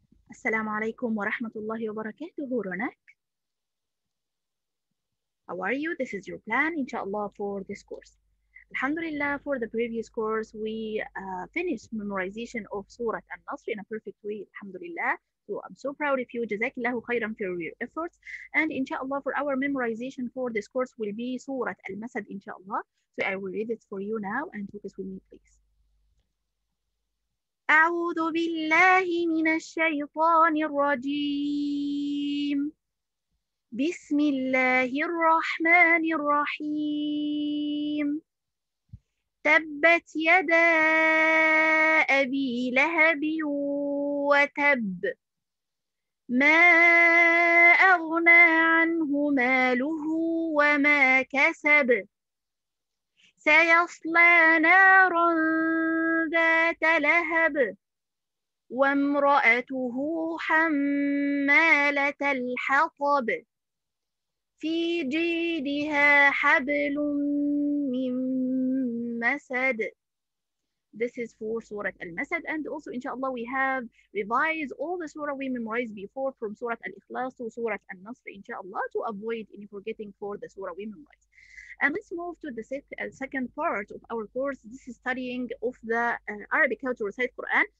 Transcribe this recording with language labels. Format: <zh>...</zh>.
<ar>السلام عليكم ورحمة الله وبركاته. رونك.</ar> <en>How are you? This is your plan, inshallah, for this course. Alhamdulillah, for the previous course, we finished memorization of Surah Al-Nasr in a perfect way, alhamdulillah. So I'm so proud of you. Jazakillahu khairan for your efforts. And inshallah, for our memorization for this course will be Surah Al-Masad, inshallah. So I will read it for you now and focus with me, please.</en> <ar>أعوذ بالله من الشيطان الرجيم بسم الله الرحمن الرحيم تبت يدا أبي لهب وتب ما أغنى عنه ماله وما كسب سيصلى نارا ذات لهب وامرأته حمالة الحطب في جيدها حبل من مسد.</ar> <en>This is for Surah Al-Masad, and also inshallah we have revised all the surah we memorized before, from Surah Al-Ikhlas to Surah Al-Nasr, inshallah, to avoid any forgetting for the surah we memorized. And let's move to the second part of our course. This is studying of the Arabic, how to recite Quran.</en>